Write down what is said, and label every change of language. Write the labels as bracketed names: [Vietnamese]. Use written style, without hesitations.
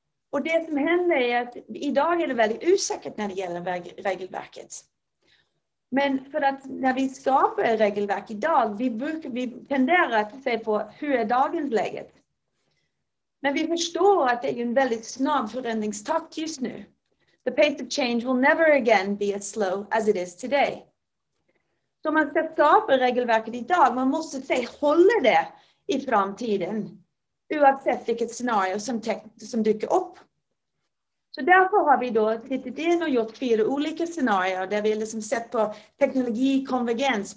[Swedish] Och det som händer är att idag är det väldigt osäkert när det gäller regelverket. Men för att när vi skapar ett regelverk idag, vi tenderar att se på hur är dagens läget. Men vi förstår att det är en väldigt snabb förändringstakt just nu. [English] The pace of change will never again be as slow as it is today. [Swedish] Så man ska skapa regelverket idag, man måste se håller det i framtiden. Oavsett vilket scenario som dyker upp. Så därför har vi då tittat in och gjort 4 olika scenarier där vi har liksom sett på teknologikonvergens.